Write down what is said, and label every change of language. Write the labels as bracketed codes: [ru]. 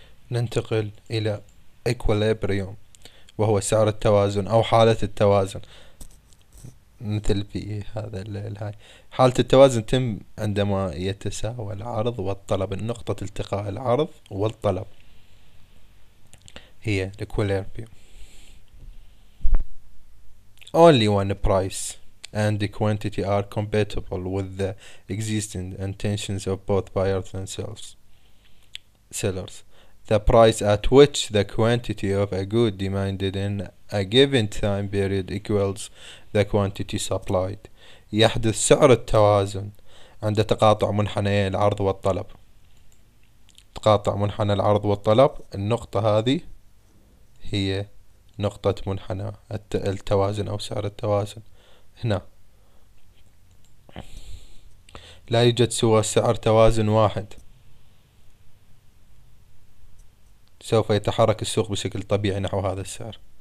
[ar] ننتقل إلى إيكوليبريوم، وهو سعر التوازن أو حالة التوازن، مثل في هذا الهاي حالة التوازن تم عندما يتساوى العرض والطلب، نقطة التقاء العرض والطلب هي الإيكوليبريوم. [en] Only one price and quantity are compatible with the existing intentions of both buyers and sellers. The price at which the quantity of a good demanded in a given time period equals the quantity supplied. [ar] يحدث سعر التوازن عند تقاطع منحني العرض والطلب. تقاطع منحنى العرض والطلب، النقطة هذه هي نقطة منحنى التوازن أو سعر التوازن. هنا لا يوجد سوى سعر توازن واحد، سوف يتحرك السوق بشكل طبيعي نحو هذا السعر.